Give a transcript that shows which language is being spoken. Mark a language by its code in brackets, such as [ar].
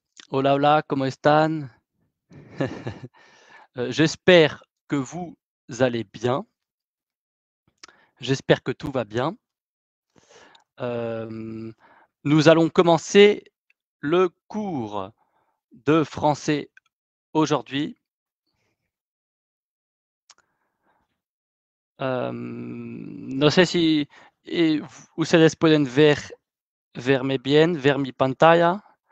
[es] Hola, hola, comment están? [fr] J'espère que vous allez bien. J'espère que tout va bien. Nous allons commencer le cours de français aujourd'hui. [es] No sé si ustedes pueden ver. Verme bien, ver mi pantalla.